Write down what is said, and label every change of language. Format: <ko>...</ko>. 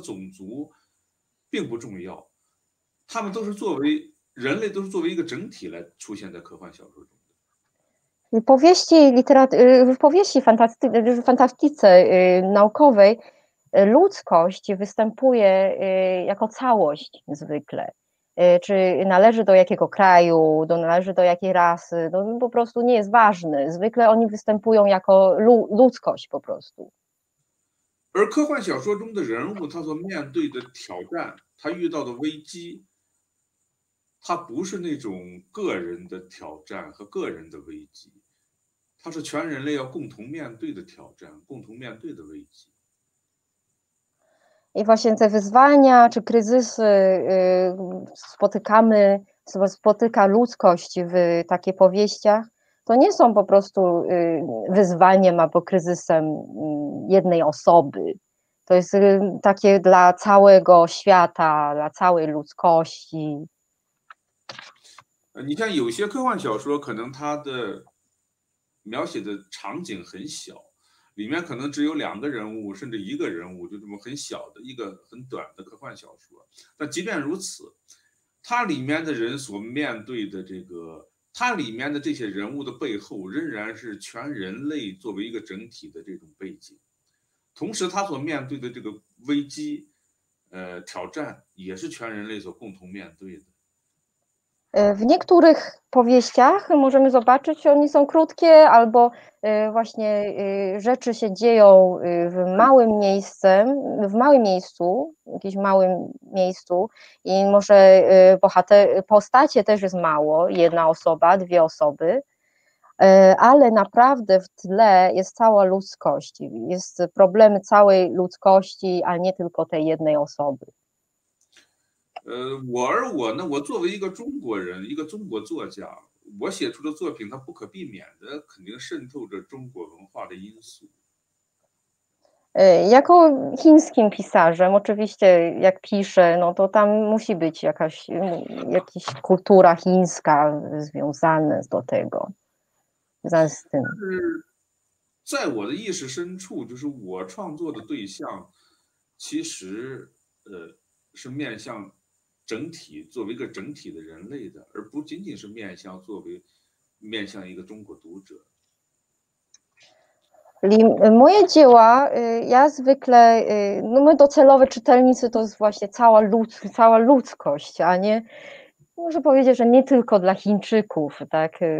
<zh>Bo 他们都是作为人类，都是作为一个整体来出现在科幻小说中的。</zh> <pl>Powieści fantastyczne, fantastyce naukowej, ludzkość występuje jako całość zwykle. Czy należy do jakiego kraju, należy do jakiej rasy, to po prostu nie jest ważne. Zwykle oni występują jako ludzkość po prostu.</pl> <zh>而科幻小说中的人物，他所面对的挑战，他遇到的危机。它不是那种个人的挑战和个人的危机，它是全人类要共同面对的挑战，共同面对的危机。</zh> <pl>I właśnie te wyzwania czy kryzysy spotykamy, spotyka ludzkość w takich powieściach, to nie są po prostu wyzwaniem albo kryzysem jednej osoby. To jest takie dla całego świata, dla całej ludzkości.</pl> <zh>你像有些科幻小说可能它的描写的场景很小，里面可能只有两个人物甚至一个人物，就这么很小的一个很短的科幻小说，但即便如此，它里面的人所面对的这个，它里面的这些人物的背后仍然是全人类作为一个整体的这种背景，同时它所面对的这个危机挑战也是全人类所共同面对的。</zh> <pl>W niektórych powieściach możemy zobaczyć, oni są krótkie, albo właśnie rzeczy się dzieją w małym miejscu, jakimś małym miejscu i może postacie też jest mało, jedna osoba, dwie osoby, ale naprawdę w tle jest cała ludzkość, jest problem całej ludzkości, a nie tylko tej jednej osoby.</pl> <zh>我作为一个中国人，一个中国作家，我写出的作品，它不可避免的肯定渗透着中国文化的因素。</zh> <pl>Jako chińskim pisarzem, oczywiście jak piszę, no to tam musi być jakaś kultura chińska związana z do tego. Z tym.</pl> <zh>在我的意识深处，就是我创作的对象，其实是面向整体，作为一个整体的人类的，而不仅仅是面向作为面向一个中国读者。</zh> <pl>Moje dzieła, ja zwykle, no my docelowe czytelnicy to jest właśnie cała ludzkość, a nie, muszę powiedzieć, że nie tylko dla Chińczyków, tak?</pl>